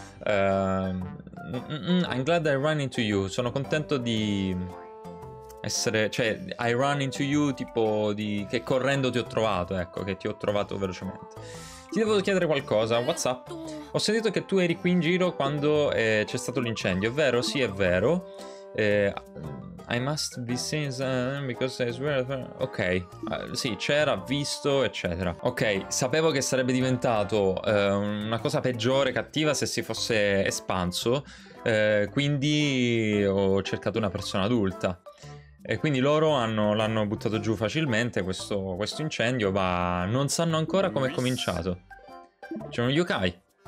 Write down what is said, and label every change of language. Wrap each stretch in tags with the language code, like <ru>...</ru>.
<en>I'm glad I ran into you.</en> <it>Sono contento di essere... Cioè,</it> <en>I ran into you,</en> <it>tipo di... Che correndo ti ho trovato, ecco. Che ti ho trovato velocemente. Ti devo chiedere qualcosa.</it> <en>What's up?</en> <it>Ho sentito che tu eri qui in giro quando c'è stato l'incendio. È vero? Sì, è vero.</it> <en>I must be seen because I swear...</en> <it>Ok, sì, c'era, visto, eccetera. Ok, sapevo che sarebbe diventato una cosa peggiore, cattiva, se si fosse espanso. Quindi ho cercato una persona adulta. E quindi loro l'hanno buttato giù facilmente, questo incendio, ma non sanno ancora come è cominciato. C'è uno yokai.</it>